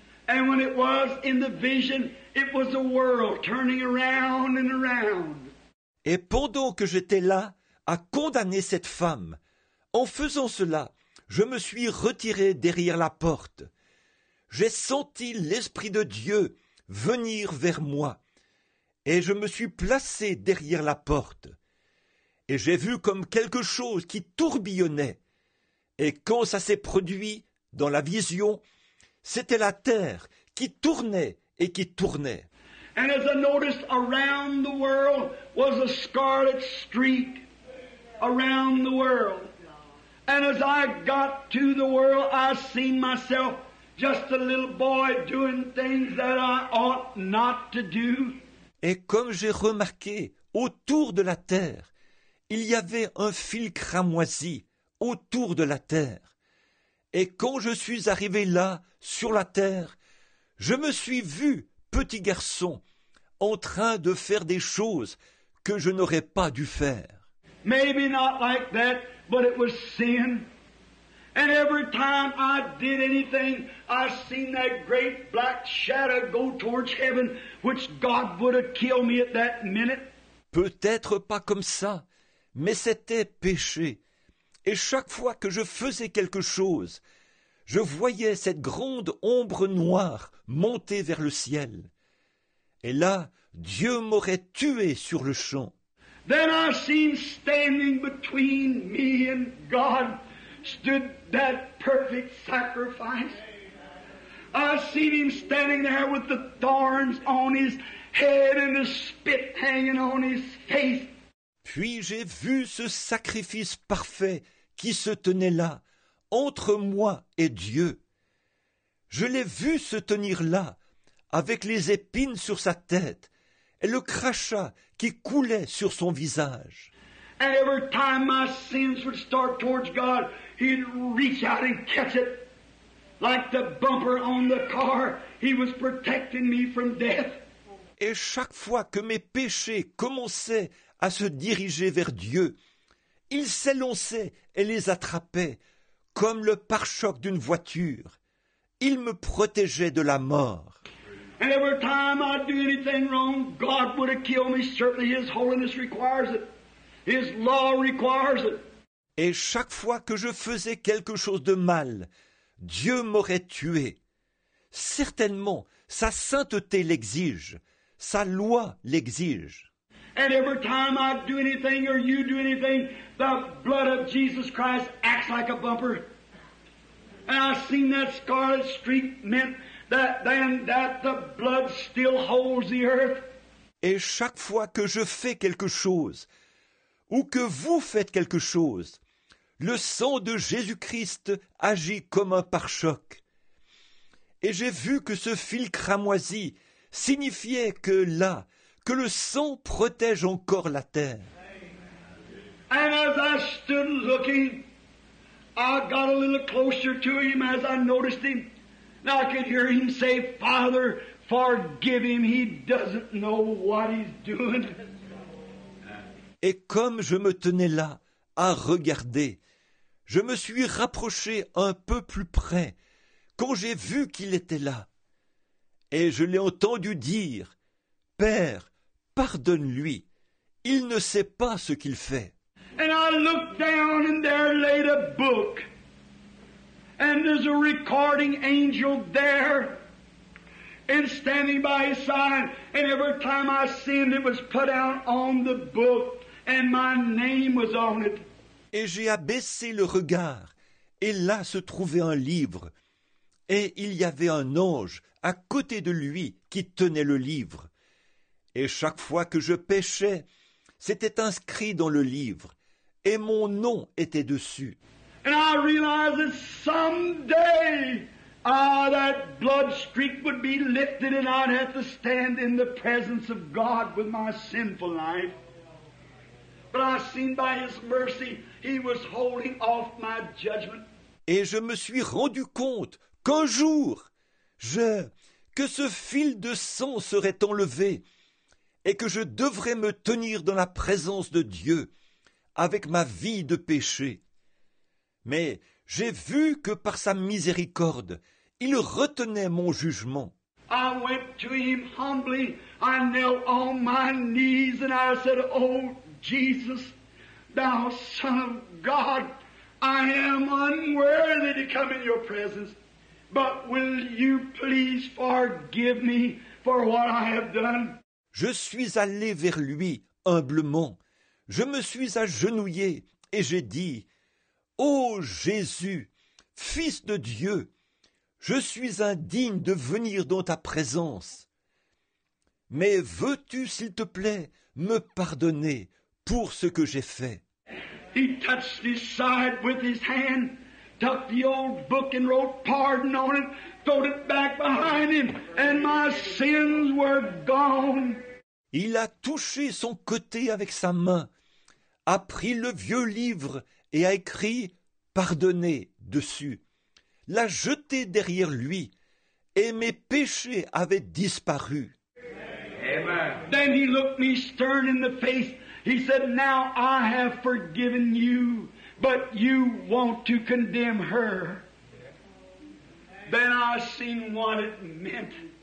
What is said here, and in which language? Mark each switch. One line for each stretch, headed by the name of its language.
English: And when it was in the vision, it was a world turning around and around.
French: Et pendant que j'étais là à condamner cette femme, en faisant cela, je me suis retiré derrière la porte. J'ai senti l'Esprit de Dieu venir vers moi. Et je me suis placé derrière la porte. Et j'ai vu comme quelque chose qui tourbillonnait. Et quand ça s'est produit dans la vision, c'était la terre qui tournait et qui tournait.
English: And as I noticed around the world was a scarlet streak around the world. And as I got to the world, I seen myself just a little boy doing things that I ought not to do.
French: Et comme j'ai remarqué, autour de la terre, il y avait un fil cramoisi autour de la terre. Et quand je suis arrivé là, sur la terre, je me suis vu petit garçon en train de faire des choses que je n'aurais pas dû faire.
English: Maybe not like that, but it was sin. And every time I did anything, I seen that great black shadow go towards heaven, which God would have killed me at that minute.
French: Peut-être pas comme ça, mais c'était péché. Et chaque fois que je faisais quelque chose, je voyais cette grande ombre noire monter vers le ciel. Et là, Dieu m'aurait tué sur le champ.
English: Then I seen standing between me and God stood that perfect sacrifice. I seen him standing there with the thorns on his head and the spit hanging on his face.
French: Puis j'ai vu ce sacrifice parfait qui se tenait là, entre moi et Dieu. Je l'ai vu se tenir là, avec les épines sur sa tête, et le crachat qui coulait sur son visage.
English: And every time my sins would start towards God, he'd reach out and catch it. Like the bumper on the car, he was protecting me from death.
French: Et chaque fois que mes péchés commençaient à se diriger vers Dieu, il s'élançait et les attrapait, comme le pare-choc d'une voiture. Il me protégeait de la mort.
English: And every time I do anything wrong, God would have killed me. Certainly his holiness requires it. His law requires it.
French: Et chaque fois que je faisais quelque chose de mal, Dieu m'aurait tué. Certainement, sa sainteté l'exige. Sa loi l'exige.
English: And every time I do anything or you do anything, the blood of Jesus Christ acts like a bumper. And I've seen that scarlet streak meant that then that the blood still holds the earth.
French: Et chaque fois que je fais quelque chose, ou que vous faites quelque chose, le sang de Jésus-Christ agit comme un pare-choc. Et j'ai vu que ce fil cramoisi signifiait que là, que le sang protège encore la terre.
English: And as I stood looking, I got a little closer to him as I noticed him. And I could hear him say, Father, forgive him, he doesn't know what he's doing.
French: Et comme je me tenais là à regarder, je me suis rapproché un peu plus près quand j'ai vu qu'il était là. Et je l'ai entendu dire, « Père, pardonne-lui, il ne sait pas ce qu'il fait. »
English: And I looked down and there laid a book. And there's a recording angel there and standing by his side. And every time I sinned, it was put out on the book and my name was on it.
French: Et j'ai abaissé le regard et là se trouvait un livre. Et il y avait un ange à côté de lui qui tenait le livre. Et chaque fois que je péchais, c'était inscrit dans le livre, et mon nom était dessus.
English: And I realized that someday, that blood streak would be lifted and I'd have to stand in the presence of God with my sinful life. But I seen by his mercy, he was holding off my judgment.
French: Et je me suis rendu compte qu'un jour, que ce fil de sang serait enlevé et que je devrais me tenir dans la présence de Dieu avec ma vie de péché. Mais j'ai vu que par sa miséricorde, il retenait mon jugement.
English: I went to him humbly, I knelt on my knees and I said, Oh Jesus, thou Son of God, I am unworthy to come in your presence. But will you please forgive me for what I have done?
French: Je suis allé vers lui humblement. Je me suis agenouillé et j'ai dit, Ô Jésus, Fils de Dieu, je suis indigne de venir dans ta présence. Mais veux-tu, s'il te plaît, me pardonner pour ce que j'ai fait?
English: He touched his side with his hand. Tucked the old book and wrote pardon on it, threw it back behind him, and my sins were gone.
French: Il a touché son côté avec sa main, a pris le vieux livre et a écrit pardonné dessus, l'a jeté derrière lui, et mes péchés avaient disparu. Amen.
English: Then he looked me stern in the face. He said, now I have forgiven you, but you want to condemn her. Then I seen what it meant.